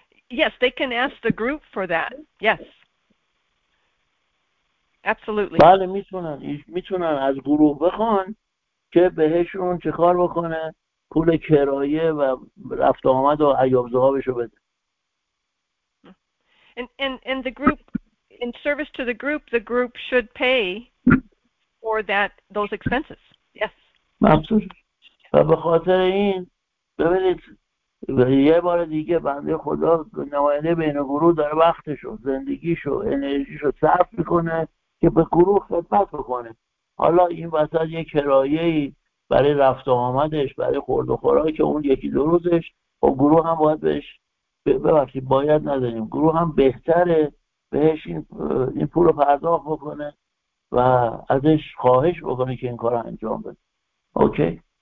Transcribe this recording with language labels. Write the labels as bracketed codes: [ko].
[en] Yes, they can ask the group for that. Yes. Absolutely. [fa] بله میتونن. میتونن از گروه بخوان که بهشون چه کار بکنه، پول کرایه و رفت آمد و عیابزه ها بشو بده. [en] And the group, in service to the group should pay for that, those expenses. Yes. [fa] و به خاطر این ببینید و یه بار دیگه بنده خدا نماینده بین گروه داره وقتشو، زندگیشو، انرژیشو صرف میکنه که به گروه خدمت بکنه. حالا این وسط یه کرایه‌ای برای رفت و آمدش، برای خورد و خوراک اون یکی دو روزش، و گروه هم باید بهش ببخشید، باید نداریم، گروه هم بهتره بهش این پول رو پرداخت بکنه و ازش خواهش بکنه که این کار رو انجام بده. اوکی؟